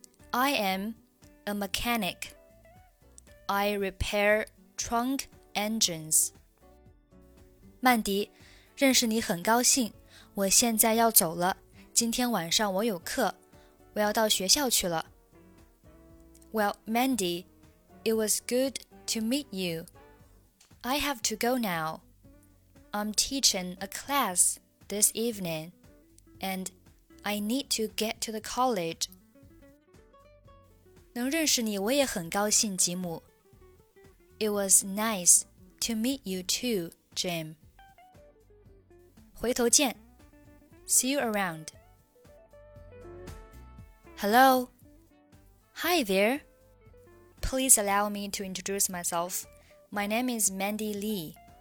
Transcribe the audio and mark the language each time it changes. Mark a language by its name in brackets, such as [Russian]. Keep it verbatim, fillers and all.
[English] I am a mechanic. I repair trunk engines. [Chinese] 曼迪，认识你很高兴，我现在要走了，今天晚上我有课，我要到学校去了。 [English] Well, Mandy, it was good to meet you. I have to go now. I'm teaching a class this evening, and I need to get to the college. [Chinese] 能认识你我也很高兴，吉姆。 [English] It was nice to meet you too, Jim. [Chinese] 回头见。 [English] See you around. Hello. Hi there. Please allow me to introduce myself. My name is Mandy Lee.